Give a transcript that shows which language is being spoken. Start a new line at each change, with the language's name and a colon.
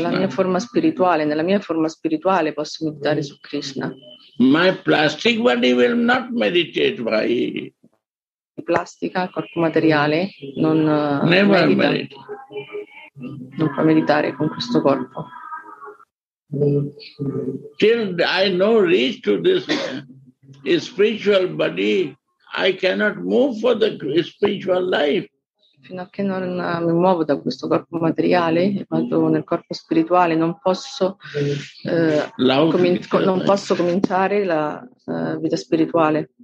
Italian: Dalla mia forma spirituale, nella mia forma spirituale posso meditare su Krishna.
English: My plastic body will not meditate by
Italian: plastica, corpo materiale, non non può meditare con questo corpo.
English: Till I know reach to this spiritual body, I cannot move for the spiritual life.
Italian: Fino a che non mi muovo da questo corpo materiale, vado nel corpo spirituale, non posso non posso cominciare la vita spirituale.